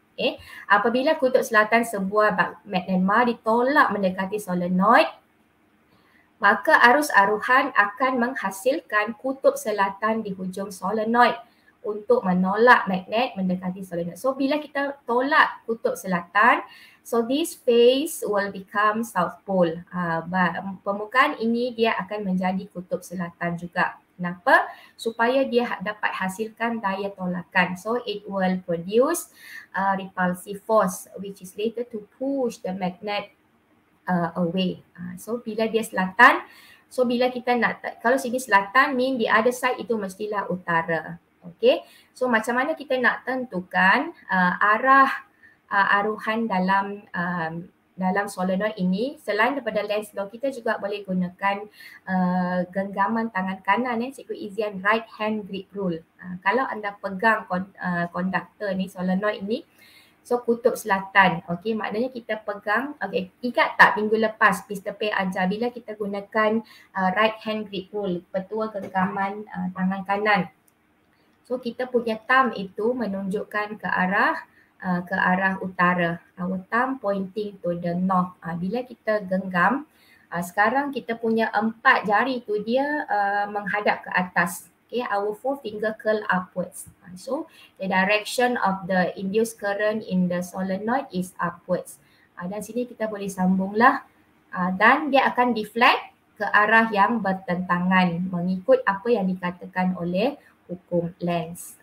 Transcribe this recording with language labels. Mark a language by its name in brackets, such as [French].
[Malay] Okey, apabila kutub selatan sebuah magnet bar ditolak mendekati solenoid, maka arus aruhan akan menghasilkan kutub selatan di hujung solenoid untuk menolak magnet mendekati solenoid. So bila kita tolak kutub selatan, [English] so this face will become south pole. [Malay] Permukaan ini dia akan menjadi kutub selatan juga. Kenapa? Supaya dia dapat hasilkan daya tolakan. [English] So it will produce a repulsive force which is later to push the magnet away. [Malay] So bila dia selatan, so bila kita nak, kalau sini selatan [English] mean the other side [Malay] itu mestilah utara. Okay, so macam mana kita nak tentukan arah aruhan dalam dalam solenoid ini? Selain daripada Lenz law, kita juga boleh gunakan genggaman tangan kanan, cikgu Izian right hand grip rule. Kalau anda pegang konduktor ni, solenoid ini, so kutub selatan, okay, maknanya kita pegang, okay, ingat tak minggu lepas Mr. Pei ajar bila kita gunakan right hand grip rule, petua genggaman tangan kanan. So kita punya thumb itu menunjukkan ke arah utara. [English] Our thumb pointing to the north. [Malay] Bila kita genggam Sekarang kita punya empat jari tu dia menghadap ke atas. [English] Okay, our four finger curl upwards. So the direction of the induced current in the solenoid is upwards. [Malay] Dan sini kita boleh sambunglah. Dan dia akan deflect ke arah yang bertentangan mengikut apa yang dikatakan oleh hukum Lenz.